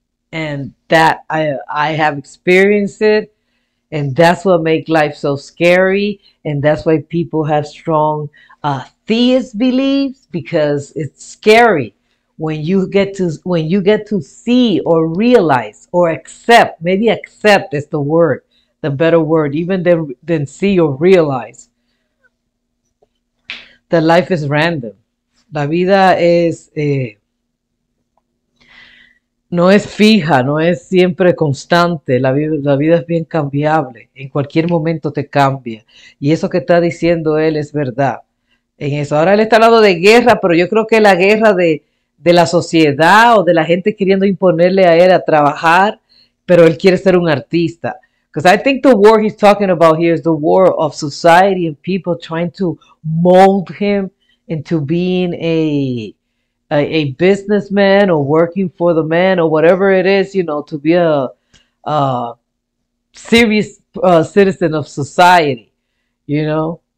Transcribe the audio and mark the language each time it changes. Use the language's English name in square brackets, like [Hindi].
[English] and that I have experienced it, and that's what makes life so scary, and that's why people have strong theist beliefs, because it's scary when you get to see or realize or accept, maybe accept is the word, the better word, even than see or realize. That life is random. [Spanish] La vida es no es fija, no es siempre constante. La vida es bien cambiable. En cualquier momento te cambia. Y eso que está diciendo él es verdad. En eso. Ahora él está hablando de guerra, pero yo creo que la guerra de la sociedad o de la gente queriendo imponerle a él a trabajar, pero él quiere ser un artista. [English] Because I think the war he's talking about here is the war of society and people trying to mold him into being a businessman or working for the man or whatever it is, you know, to be a serious citizen of society, you know.